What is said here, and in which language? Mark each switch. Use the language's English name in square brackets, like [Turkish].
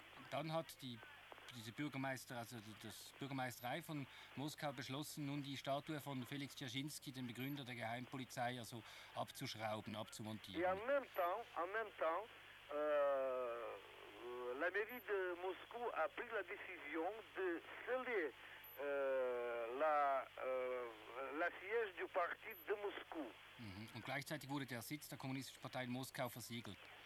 [German] Dann hat das Bürgermeisterei von Moskau beschlossen, nun die Statue von Felix Dzerzhinsky, dem Begründer der Geheimpolizei, also abzuschrauben, abzumontieren. [French] Et en même temps, la mairie de Moscou a pris la décision de sceller la siège du parti de Moscou. [German] Und gleichzeitig wurde der Sitz der Kommunistischen Partei in Moskau versiegelt.